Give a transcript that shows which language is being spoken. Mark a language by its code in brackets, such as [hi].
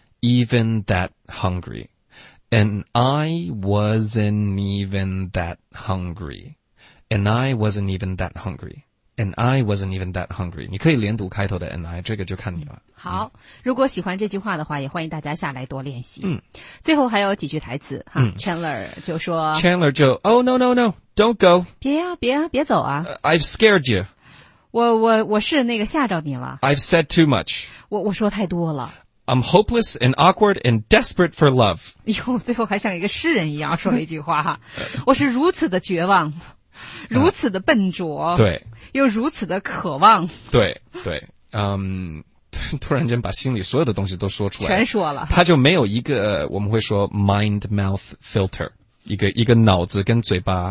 [en] Even that hungry, and I wasn't even that hungry, and I wasn't even that hungry. And I wasn't even that hungry. [zh] 你可以连读开头的 [en] and I, [zh] 这个就看你了。好，如果喜欢这句话的话，也欢迎大家下来多练习。嗯，最后还有几句台词哈。Chandler 就说 [en] ，Chandler 就 ，Oh no no no, don't go. [zh] 别啊别啊别走啊。 [en] I've scared you. [zh] 我是那个吓着你了。 [en] I've said too much. [zh] 我说太多了。 [en] I'm hopeless and awkward and desperate for love. [zh] 哟，最后还像一个诗人一样说了一句话哈，我是如此的绝望。如此的笨拙，对，又如此的渴望，对对，嗯，突然间把心里所有的东西都说出来，全说了，他就没有一个我们会说 mind mouth filter, 一个脑子跟嘴巴